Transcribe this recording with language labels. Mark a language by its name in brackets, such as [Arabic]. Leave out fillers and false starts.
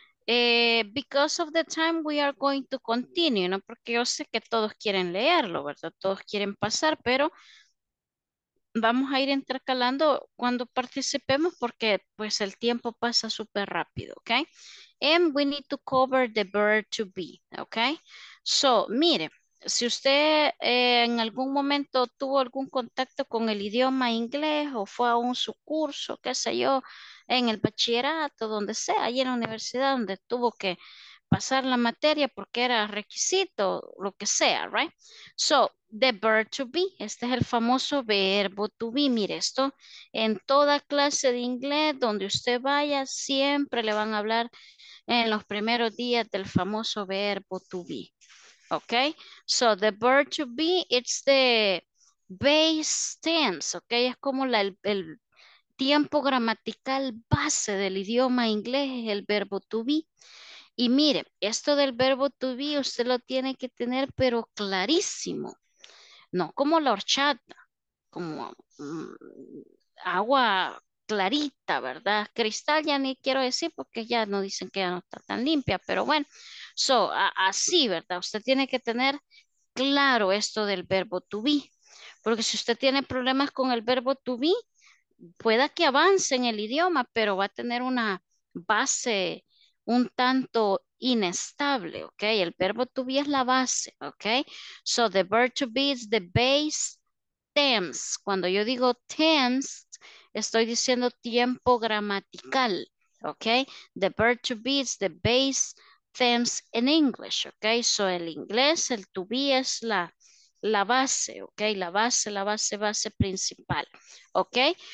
[English] Because of the time, we are going to continue, ¿no? [Spanish] Porque yo sé que todos quieren leerlo, ¿verdad? Todos quieren pasar, pero vamos a ir intercalando cuando participemos porque pues el tiempo pasa súper rápido, ¿ok? [English] and we need to cover the verb to be, okay? [Spanish] So, mire, si usted en algún momento tuvo algún contacto con el idioma inglés o fue a un subcurso, qué sé yo, en el bachillerato, donde sea, ahí en la universidad donde tuvo que pasar la materia porque era requisito, lo que sea, right? [English] So, the verb to be, [Spanish] este es el famoso verbo to be, mire esto, en toda clase de inglés donde usted vaya, siempre le van a hablar en los primeros días del famoso verbo to be, okay? [English] So, the verb to be, it's the base tense, okay? [Spanish] Es como la, el tiempo gramatical base del idioma inglés, es el verbo to be. Y mire, esto del verbo to be, usted lo tiene que tener pero clarísimo. No como la horchata, como agua clarita, ¿verdad? Cristal ya ni quiero decir porque ya no dicen que ya no está tan limpia, pero bueno. So, así, ¿verdad? Usted tiene que tener claro esto del verbo to be. Porque si usted tiene problemas con el verbo to be, pueda que avance en el idioma, pero va a tener una base un tanto inestable, ¿ok? El verbo to be es la base, ¿ok? [English] So, the verb to be is the base tense. [Spanish] Cuando yo digo tense, estoy diciendo tiempo gramatical, ¿ok? [English] The verb to be is the base tense in English, ¿ok? [Spanish] So, el inglés, el to be es la base, ¿ok? La base principal, ¿ok?